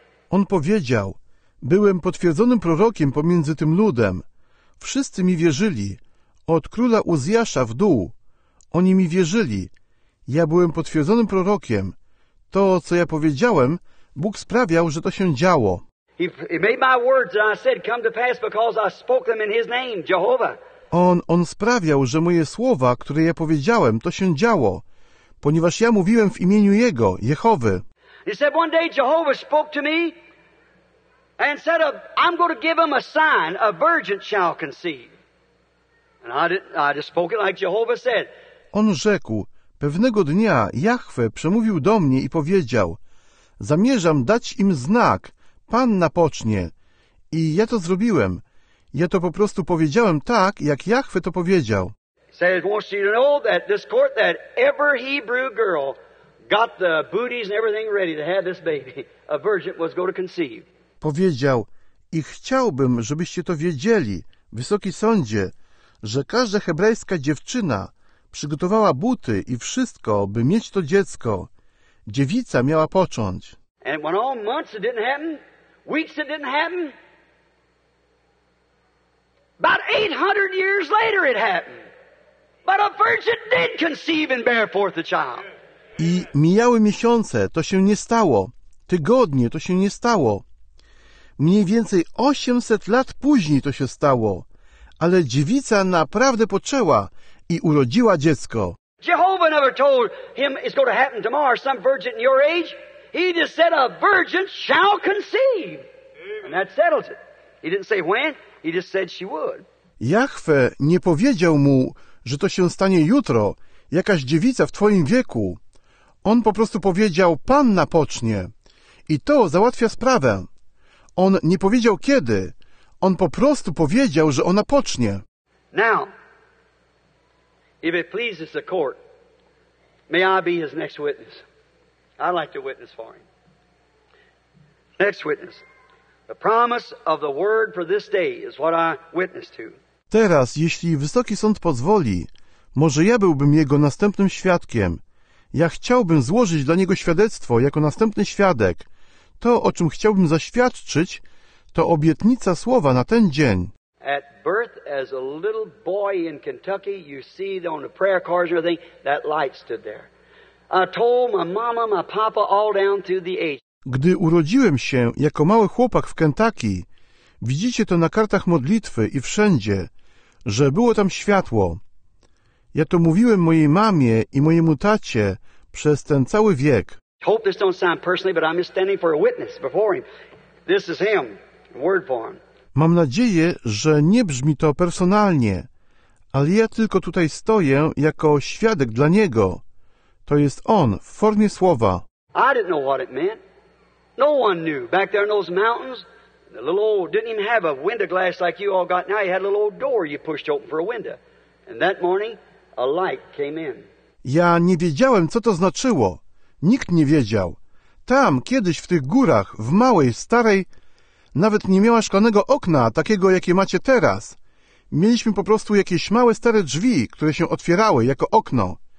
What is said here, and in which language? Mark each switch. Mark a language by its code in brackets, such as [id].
[pl] On powiedział, byłem potwierdzonym prorokiem pomiędzy tym ludem. Wszyscy mi wierzyli. Od króla Uzjasza w dół. Oni mi wierzyli. Ja byłem potwierdzonym prorokiem. To, co ja powiedziałem, Bóg sprawiał, że to się działo. [en] He made my words that I said come to pass because I spoke them in his name, Jehovah. [pl] On sprawiał, że moje słowa, które ja powiedziałem, to się działo, ponieważ ja mówiłem w imieniu Jego, Jehowy. [en] He said one day Jehovah spoke to me and said, I'm going to give him a sign, a virgin shall conceive. And I just spoke it like Jehovah said. [pl] On rzekł, pewnego dnia Jahwe przemówił do mnie i powiedział, zamierzam dać im znak, panna pocznie. I ja to zrobiłem. Ja to po prostu powiedziałem tak, jak Jahwe to powiedział. [en] Said, wants you to know that this court, that every Hebrew girl got the booties and everything ready to have this baby, a virgin was going to conceive. [pl] Powiedział, i chciałbym, żebyście to wiedzieli, Wysoki Sądzie, że każda hebrajska dziewczyna przygotowała buty i wszystko, by mieć to dziecko. Dziewica miała począć. [en] And it went on months, it didn't happen. Weeks, it didn't happen. About 800 years later, it happened. But a virgin did conceive and bear forth a child. [pl] I mijały miesiące, to się nie stało. Tygodnie, to się nie stało. Mniej więcej 800 lat później to się stało. Ale dziewica naprawdę poczęła i urodziła dziecko. [en] Jehovah never told him it's going to happen tomorrow, some virgin in your age. He just said a virgin shall conceive. And that settles it. He didn't say when, he just said she would. [pl] Jahwe nie powiedział mu, że to się stanie jutro, jakaś dziewica w twoim wieku. On po prostu powiedział, panna pocznie. I to załatwia sprawę. On nie powiedział kiedy. On po prostu powiedział, że ona pocznie. [en] Now, if it pleases the court, may I be his next witness. I'd like to witness for him. Next witness. The promise of the word for this day is what I witness to. [pl] Teraz, jeśli Wysoki Sąd pozwoli, może ja byłbym jego następnym świadkiem. Ja chciałbym złożyć dla niego świadectwo jako następny świadek. To, o czym chciałbym zaświadczyć, to obietnica słowa na ten dzień. [en] At birth, as a little boy in Kentucky, you see on the prayer cards and everything, that light stood there. I told my mama, my papa all down through the ages. [pl] Gdy urodziłem się jako mały chłopak w Kentucky, widzicie to na kartach modlitwy i wszędzie, że było tam światło. Ja to mówiłem mojej mamie i mojemu tacie przez ten cały wiek. [en] Hope this don't sound personally, but I'm just standing for a witness before him. This is him, word for him. [pl] Mam nadzieję, że nie brzmi to personalnie, ale ja tylko tutaj stoję jako świadek dla niego. To jest on w formie słowa. [en] I didn't know what it meant. No one knew. Back there in those mountains, the little old didn't even have a window glass like you all got now. He had a little old door you pushed open for a window. And that morning, a light came in. [pl] Ja nie wiedziałem, co to znaczyło. Nikt nie wiedział. Tam, kiedyś w tych górach, w małej, starej, nawet nie miała szklanego okna, takiego, jakie macie teraz. Mieliśmy po prostu jakieś małe, stare drzwi, które się otwierały jako okno.